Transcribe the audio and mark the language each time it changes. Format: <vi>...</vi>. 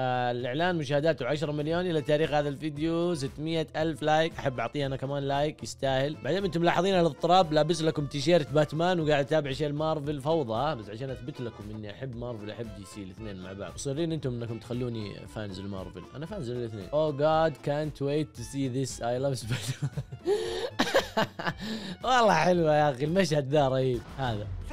<ar>الإعلان مشاهداته 10 مليون إلى تاريخ هذا الفيديو، 600 ألف لايك. أحب أعطيه أنا كمان لايك، يستاهل. بعدين أنتم ملاحظين الاضطراب، لابس لكم تيشيرت باتمان وقاعد أتابع شيء المارفل، فوضى. بس عشان أثبت لكم إني أحب مارفل أحب دي سي الاثنين مع بعض. مصرين أنتم إنكم تخلوني فانز المارفل، أنا فانز الاثنين.</ar> <en>Oh God can't wait to see this I love Spider-Man.</en> <ar>والله حلوة يا أخي المشهد ذا رهيب هذا.</ar>